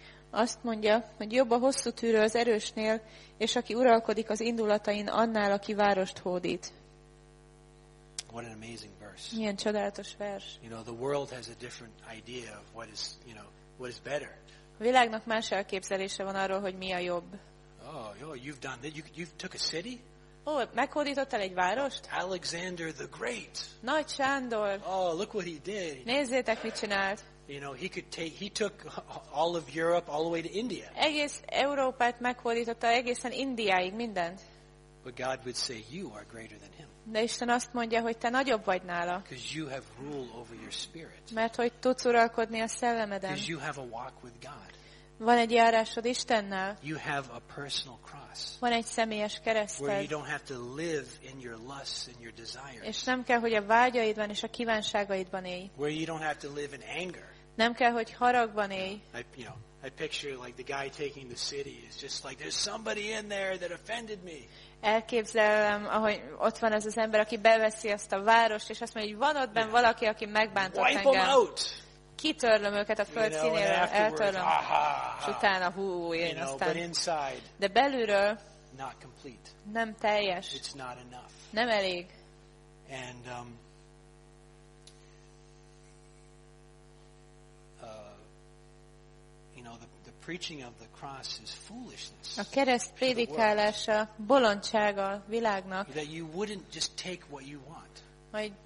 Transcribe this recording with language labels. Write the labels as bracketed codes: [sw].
[hu] Azt mondja, hogy jobb a hosszú tűrő az erősnél, és aki uralkodik az indulatain, annál, aki várost hódít. [en] What an amazing verse. [hu] Milyen csodálatos vers. [en] You know, the world has a different idea of what is, you know, what is better. [hu] A világnak más elképzelése van arról, hogy mi a jobb. [en] Oh, you've done that. You've took a city? [hu] Oh, meghódítottál egy várost? [en] Alexander the Great. [hu] Nagy Sándor. [en] Oh, look what he did. [hu] Nézzétek, mit csinált. [en] You know, he took all of Europe all the way to India. [hu] Egész Európát meghódította, egészen Indiáig mindent. [en] But God would say you are greater than him. [hu] De Isten azt mondja, hogy te nagyobb vagy nála. [en] Because you have rule over your spirit. [hu] Mert hogy tudsz uralkodni a szellemeden. [en] Because you have a walk with God. [hu] Van egy járásod Istennel. [en] You have a personal cross. [hu] Van egy személyes kereszted. [en] Where you don't have to live in your lusts and your desires. [hu] És nem kell, hogy a vágyaidban és a kívánságaidban élj. [en] Where you don't have to live in anger. [hu] Nem kell, hogy haragban élj. [en] I picture like the guy taking the city is just like there's somebody in there that offended me. [hu] Elképzelem, ahogy ott van ez az ember, aki beveszi ezt a várost, és azt mondja, hogy van ott benn valaki, aki megbántott [en] Wipe [hu] engem. [en] Them out. [hu] Kitörlöm őket a föld színéről, eltörlöm, és utána én aztán. [en] Inside, [hu] de belülről [en] not complete. [hu] Nem teljes. [en] It's not enough. [hu] Nem elég. [en] And you know, the preaching of the cross is foolishness. [hu] A kereszt prédikálása bolondság a világnak. [en] That you wouldn't just take what you want.